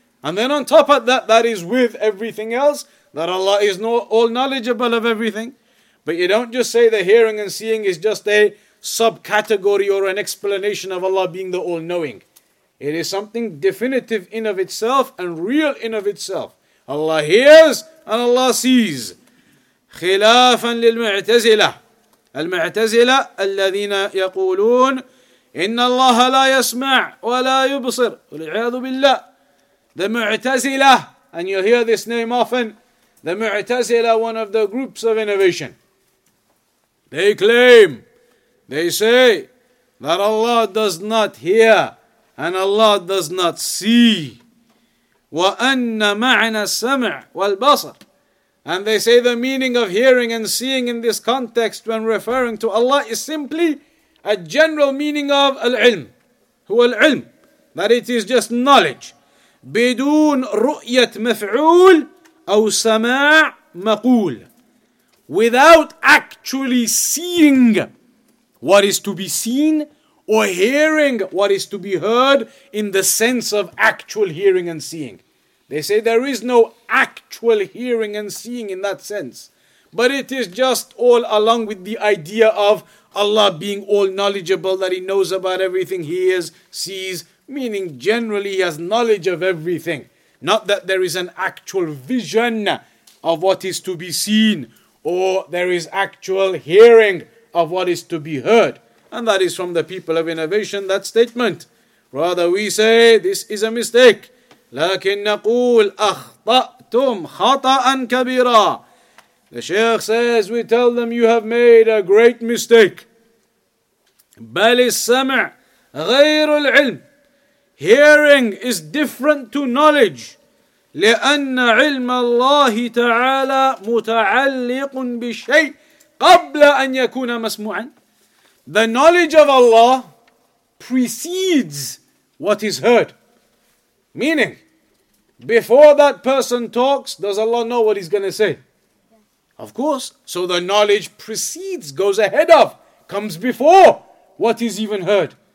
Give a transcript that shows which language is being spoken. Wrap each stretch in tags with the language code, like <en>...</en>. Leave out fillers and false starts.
<en>And then on top of that, that is with everything else, that Allah is all knowledgeable of everything. But you don't just say the hearing and seeing is just a subcategory or an explanation of Allah being the all-knowing. It is something definitive in of itself and real in of itself. Allah hears and Allah sees.</en> <ar>خلافاً للمعتزلة المعتزلة الذين يقولون إن الله لا يسمع ولا يبصر والعياذ بالله.</ar> <en>The Mu'tazila, and you'll hear this name often, the Mu'tazila, one of the groups of innovation. They claim, they say, that Allah does not hear and Allah does not see.</en> <ar>وَأَنَّ مَعْنَ السَّمْعِ وَالْبَصَرِ.</ar> <en>And they say the meaning of hearing and seeing in this context when referring to Allah is simply a general meaning of al-ilm.</en> <ar>Huwa al-ilm.</ar> <en>That it is just knowledge.</en> <ar>بدون رؤية مفعول أو سماع مقول.</ar> <en>Without actually seeing what is to be seen or hearing what is to be heard in the sense of actual hearing and seeing. They say there is no actual hearing and seeing in that sense. But it is just all along with the idea of Allah being all knowledgeable, that He knows about everything, He hears, sees, meaning generally He has knowledge of everything. Not that there is an actual vision of what is to be seen, or there is actual hearing of what is to be heard. And that is from the people of innovation, that statement. Rather, we say this is a mistake.</en> <ar>لكن نقول أخطأتم خطأً كبيرا.</ar> <en>The Shaykh says, we tell them you have made a great mistake.</en> <ar>بل السمع غير العلم.</ar> <en>Hearing is different to knowledge.</en> <ar>لأن علم الله تعالى متعلق بشيء قبل أن يكون مسموعا.</ar> <en>The knowledge of Allah precedes what is heard. Meaning, before that person talks, does Allah know what he's going to say? Of course. So the knowledge precedes, goes ahead of, comes before what is even heard.</en>